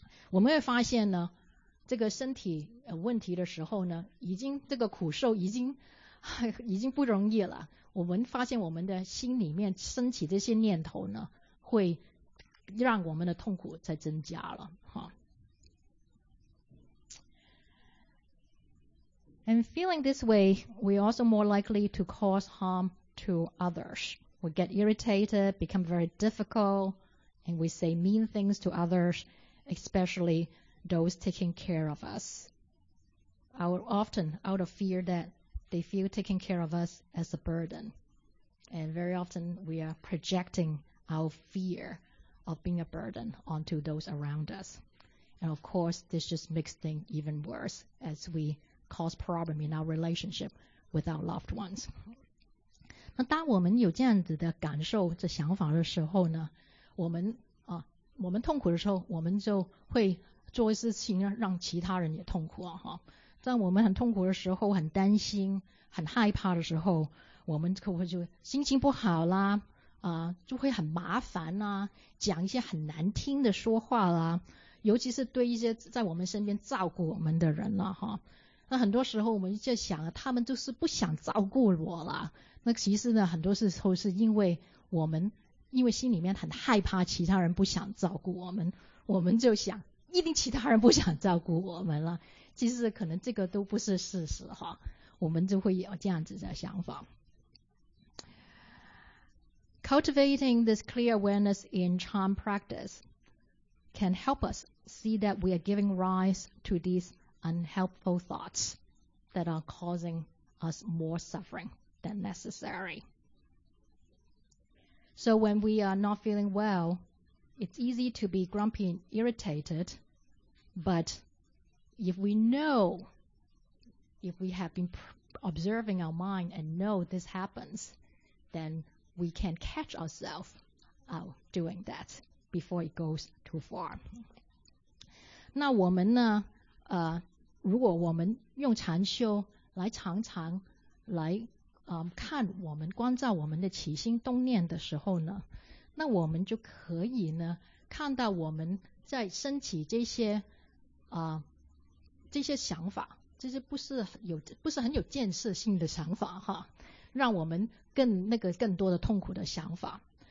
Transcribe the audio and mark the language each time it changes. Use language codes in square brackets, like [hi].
[zh] 我们会发现呢，这个身体问题的时候呢，已经这个苦受已经不容易了，我们发现我们的心里面升起这些念头呢，会让我们的痛苦再增加了。 [en] And feeling this way, we're also more likely to cause harm to others. We get irritated, become very difficult, and we say mean things to others, especially those taking care of us. Often out of fear that they feel taking care of us as a burden. And very often we are projecting our fear of being a burden onto those around us. And of course, this just makes things even worse as we cause problems in our relationship with our loved ones. [zh] 那当我们有这样子的感受、这想法的时候呢，我们痛苦的时候，我们就会做一些事情让其他人也痛苦啊，哈。当我们很痛苦的时候，很担心很害怕的时候，我们可不可以就心情不好啦，就会很麻烦啦，讲一些很难听的说话啦，尤其是对一些在我们身边照顾我们的人啦，哈，那很多时候我们就想他们就是不想照顾我啦，那其实呢很多时候是因为我们因为心里面很害怕其他人不想照顾我们，我们就想一定其他人不想照顾我们了，其实可能这个都不是事实哈，我们就会有这样子的想法。 [en] Cultivating this clear awareness in charm practice can help us see that we are giving rise to these unhelpful thoughts that are causing us more suffering than necessary. So when we are not feeling well, it's easy to be grumpy and irritated, but if we know, if we have been observing our mind and know this happens, then we can catch ourselves doing that before it goes too far. [zh] 那我们呢如果我们用禅修来常常来看我们观照我们的起心动念的时候呢，那我们就可以呢看到我们在升起这些这些想法，这些不是很有建设性的想法哈，让我们更多的痛苦的想法。